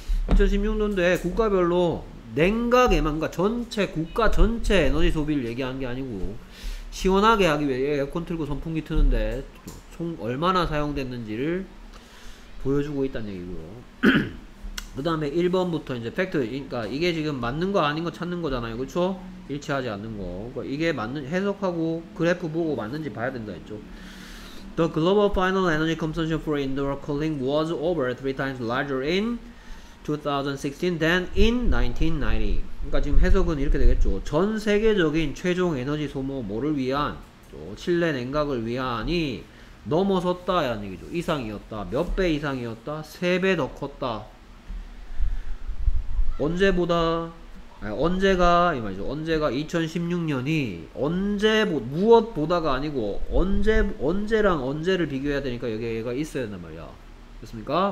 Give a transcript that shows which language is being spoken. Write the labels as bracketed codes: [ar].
[ko] 2016년도에 국가별로 냉각에만 그러니까 전체 국가 전체 에너지 소비를 얘기한 게 아니고 시원하게 하기 위해 에어컨 틀고 선풍기 트는데 총 얼마나 사용됐는지를 보여주고 있다는 얘기고요. 그 다음에 1번부터 이제 팩트 그러니까 이게 지금 맞는 거 아닌 거 찾는 거잖아요. 그렇죠? 일치하지 않는 거 그러니까 이게 맞는 해석하고 그래프 보고 맞는지 봐야 된다 했죠. [en] The global final energy consumption for indoor cooling was over 3 times larger in 2016 than in 1990. [ko] 그러니까 지금 해석은 이렇게 되겠죠. 전 세계적인 최종 에너지 소모 뭐를 위한 또 실내 냉각을 위한이 넘어섰다 라는 얘기죠. 이상이었다. 몇 배 이상이었다. 세 배 더 컸다. 언제보다 아니 언제가 이 말이죠. 언제가 2016년이 언제 무엇보다가 아니고 언제랑 언제를 비교해야 되니까 여기에 얘가 있어야 된단 말이야. 됐습니까?